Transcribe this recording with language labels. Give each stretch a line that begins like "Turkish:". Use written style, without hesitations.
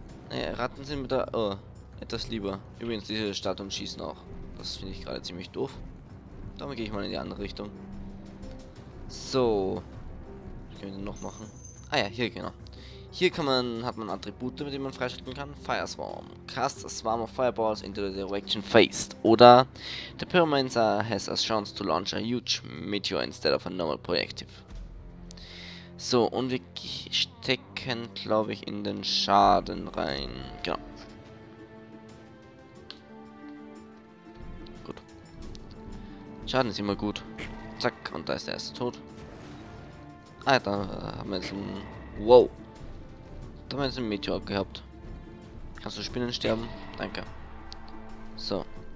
German: Ratten sind mir da etwas lieber. Übrigens, diese Statuen schießen auch. Das finde ich gerade ziemlich doof. Damit gehe ich mal in die andere Richtung. So. Was können wir denn noch machen? Ah ja, hier genau. Hier hat man Attribute, mit denen man freischalten kann.
English: Fireswarm. Cast a swarm of fireballs into the direction faced. Oder the Pyromancer has a chance to launch a huge meteor instead of a normal projective.
German: So, und wir stecken, glaube ich, in den Schaden rein. Genau. Gut. Schaden ist immer gut. Zack, und da ist der erste tot. Ah, da haben wir jetzt einen... Wow. Da haben wir jetzt einen Meteor gehabt. Kannst du Spinnen sterben? Danke. So.